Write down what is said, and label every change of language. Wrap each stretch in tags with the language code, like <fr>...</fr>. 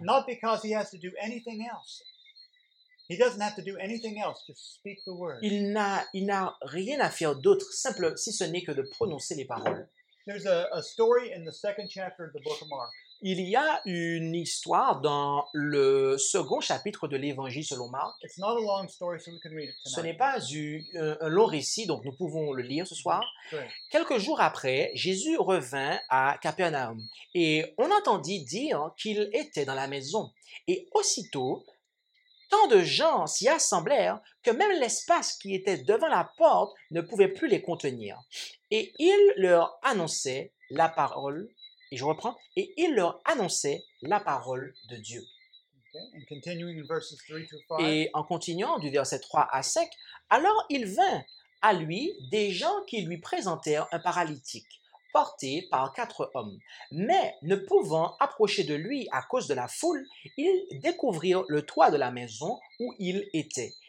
<en>Not because he has to do anything else. He doesn't have to do anything else, just speak the word.</en> <fr>Il n'a rien à faire d'autre, simple, si ce n'est que de prononcer les paroles.</fr> <en>There's a story in the second chapter of the book of Mark.</en> <fr>Il y a une histoire dans le second chapitre de l'Évangile selon Marc.</fr> <en>It's not a long story, so we can read it tonight.</en> <fr>Ce n'est pas un long récit, donc nous pouvons le lire ce soir.</fr> <en>Right.</en> <fr>Quelques jours après, Jésus revint à Capernaum et on entendit dire qu'il était dans la maison. Et aussitôt, tant de gens s'y assemblèrent que même l'espace qui était devant la porte ne pouvait plus les contenir. Et il leur annonçait la parole, et je reprends, et il leur annonçait la parole de Dieu.</fr> <en>Okay. And continuing in verses 3 to 5.</en> <fr>Et en continuant du verset 3 à 5, alors il vint à lui des gens qui lui présentèrent un paralytique, porté par quatre hommes. Mais ne pouvant approcher de lui à cause de la foule, ils découvrirent le toit de la maison où il était.</fr>